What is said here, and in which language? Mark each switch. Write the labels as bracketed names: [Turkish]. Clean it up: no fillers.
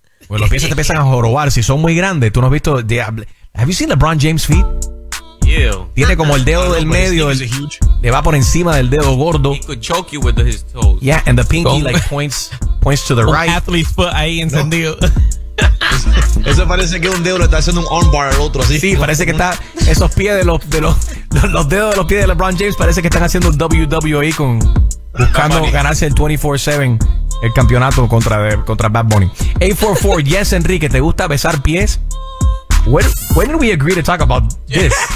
[Spanish] Pues los pies se te empiezan a jorobar. Si son muy grandes, tú no has visto, [English] have you seen LeBron James' feet? Ew. [Spanish] Tiene como el dedo del medio, el huge. Le va por encima del dedo gordo. [English] He could choke you with his toes. Yeah, and the pinky like points to the right. Athlete's foot [Spanish] ahí encendido. Eso parece que un dedo le está haciendo un armbar al otro. ¿Sí? Sí, parece que está esos pies de los dedos de los pies de LeBron James parece que están haciendo WWE con buscando ganarse el 24/7 el campeonato contra Bad Bunny. 844, yes, Enrique, ¿te gusta besar pies? [English] When did we agree to talk about this?